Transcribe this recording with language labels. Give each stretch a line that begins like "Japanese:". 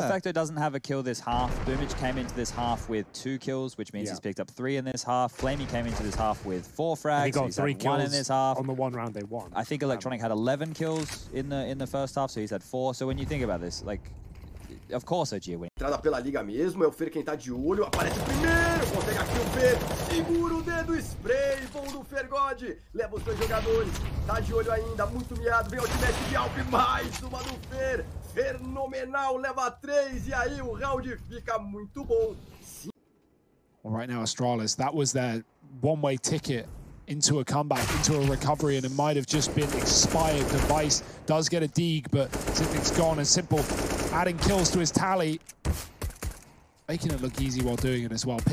English: Perfecto doesn't have a kill this half. Boomich came into this half with two kills, which means he's picked up three in this half. Flamey came into this half with four frags. And he got so three had kills one in this half. On the one round they won. I think Electronic had 11 kills in the first half, so he's had four. So when you think about this, like, of course OG win.
Portuguese: Entrada pela liga mesmo, é o Fer quem tá de olho, aparece primeiro, consegue aqui o Fer, segura o dedo, spray, bom do Fer God, leva os dois jogadores, tá de olho ainda, muito miado, vem o ultimate de Alp, mais uma do Fer, fenomenal, leva três, e aí o round fica muito bom.
English: All right now, Astralis, that was their one-way ticket into a comeback, into a recovery, and it might have just been expired. Device does get a deeg, but Zipnik's gone, and Simple adding kills to his tally, making it look easy while doing it as well.